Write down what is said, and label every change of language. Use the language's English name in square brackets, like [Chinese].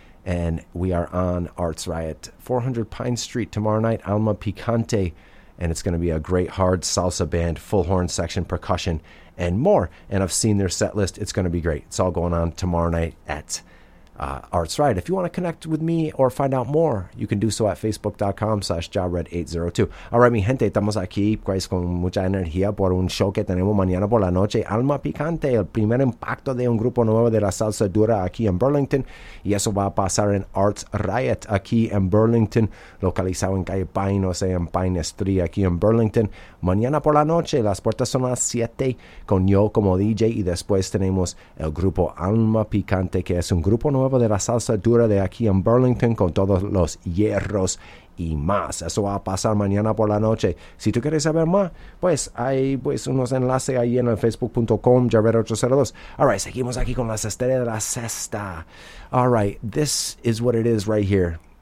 [English] And we are on Arts Riot, 400 Pine Street tomorrow night, Alma Picante. And it's going to be a great hard salsa band, full horn section, percussion, and more. And I've seen their set list. It's going to be great. It's all going on tomorrow night at Arts Riot. If you want to connect with me or find out more, you can do so at facebook.com/jared802. All right, [Spanish] mi gente, estamos aquí pues con mucha energía por un show que tenemos mañana por la noche. Alma Picante, el primer impacto de un grupo nuevo de la salsa dura aquí en Burlington. Y eso va a pasar en Arts Riot aquí en Burlington, localizado en calle Pine, o sea, en Pine Street aquí en Burlington. Mañana por la noche, las puertas son las 7 con yo como DJ, y después tenemos el grupo Alma Picante, que es un grupo nuevo de la salsa dura de aquí en Burlington, con todos los hierros y más. Eso va a pasar mañana por la noche. Si tú quieres saber más, pues hay pues unos enlaces ahí en el facebook.com, Jared802. [English] All right, [Spanish] seguimos aquí con las estrellas de la cesta. [English] All right, this is what it is right here.